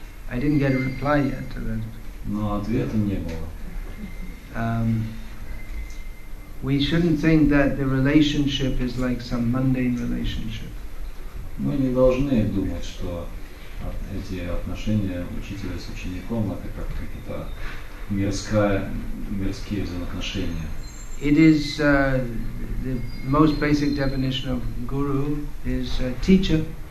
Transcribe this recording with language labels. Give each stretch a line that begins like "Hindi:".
English: I didn't get a reply yet to that.
Russian: Но ответа не было.
English: We shouldn't think that the relationship is like some mundane relationship.
Russian: Мы не должны думать, что эти отношения учителя с учеником это как какие-то мирские взаимоотношения.
English: It is the most basic definition of guru is teacher.